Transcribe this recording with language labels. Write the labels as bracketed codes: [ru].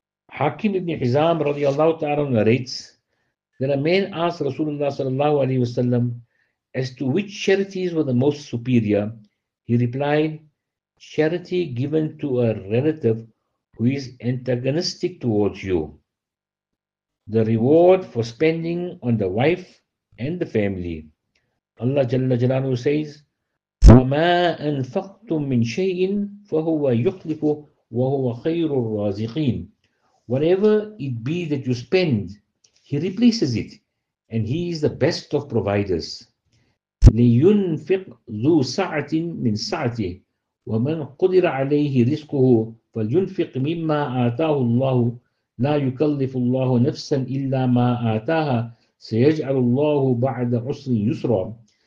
[en] Hakim ibn Hizam radiallahu ta'ala narrates that a man asked Rasulullah sallallahu alayhi wasallam as to which charities were the most superior. He replied, charity given to a relative who is antagonistic towards you. The reward for spending on the wife and the family. Allah Jalla Jalaluhu says, [ar] وَمَا أَنْفَقْتُم مِّن شَيْءٍ فَهُوَ يُخْلِفُ وَهُوَ خَيْرُ الرَّازِقِينَ. [en] Whatever it be that you spend, he replaces it, and he is the best of providers. [ar] لِيُنْفِقْ ذُو سَعَةٍ مِّن سَعَتِهِ وَمَنْ قُدِرَ عَلَيْهِ رِزْقُهُ فَلْيُنْفِقْ مِمَّا آتَاهُ اللَّهُ لَا يُكَلِّفُ اللَّهُ نَفْسًا إِلَّا مَا آتَاهَا سَيَجْعَلُ اللَّهُ بَعْدَ عُسْرٍ يُسْرًا.